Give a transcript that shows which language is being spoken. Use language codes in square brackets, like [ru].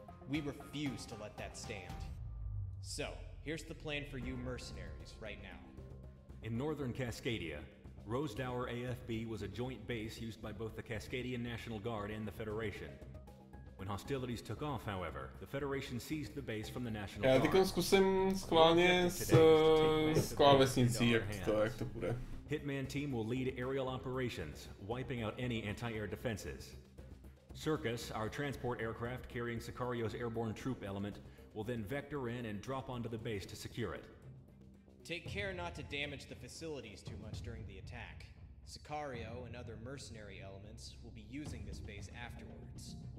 [en] We refuse to let that stand. So, here's the plan for you mercenaries right now. In northern Cascadia, Rosedower AFB was a joint base used by both the Cascadian National Guard and the Federation. When hostilities took off, however, the Federation seized the base from the National Guard. [cs] Já teďkon zkusím schválně s klávesnicí, jak to bude. [en] Hitman team will lead aerial operations, wiping out any anti-air defenses. Circus, our transport aircraft carrying Sicario's airborne troop element, will then vector in and drop onto the base to secure it. Take care not to damage the facilities too much during the attack. Sicario and other mercenary elements will be using this base afterwards.